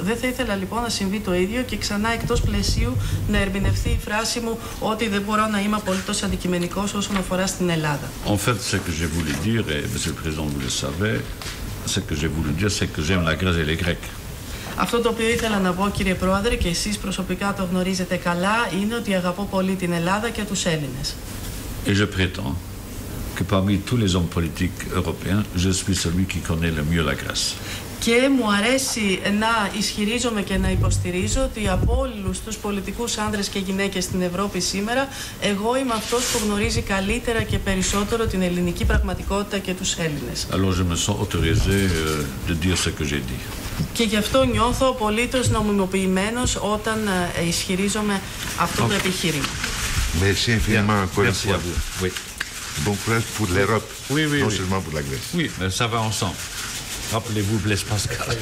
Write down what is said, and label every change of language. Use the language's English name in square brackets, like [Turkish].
[Greek] Δεν θα ήθελα λοιπόν να συμβεί το ίδιο και ξανά εκτός πλαισίου να ερμηνευθεί η φράση μου ότι δεν μπορώ να είμαι απολύτως αντικειμενικός όσον αφορά στην Ελλάδα. [French] En fait, ce que j'ai voulu dire, et monsieur le président, vous le savez, ce que j'ai voulu dire, c'est que j'aime la Grèce et les Grecs. [Greek] Αυτό το οποίο ήθελα να πω, κύριε Πρόεδρε, και εσείς προσωπικά το γνωρίζετε καλά, είναι ότι αγαπώ πολύ την Ελλάδα και τους Έλληνες. [French] Et je prétends que parmi tous les hommes politiques européens, je suis celui qui connaît le mieux la Grèce. [Greek] Και μου αρέσει να ισχυρίζομαι και να υποστηρίζω ότι από όλους τους πολιτικούς άνδρες και γυναίκες στην Ευρώπη σήμερα, εγώ είμαι αυτός που γνωρίζει καλύτερα και περισσότερο την ελληνική πραγματικότητα και τους Έλληνες. [French] Alors je me sens autorisé de dire ce que j'ai dit. [Greek] Και γι' αυτό νιώθω απολύτως νομιμοποιημένος όταν ισχυρίζομαι αυτό το επιχείρημα. [French] Merci infiniment encore une fois. Bon courage pour l'Europe, seulement pour la Grèce. Oui, mais ça va ensemble. Rappelez-vous Blaise Pascal.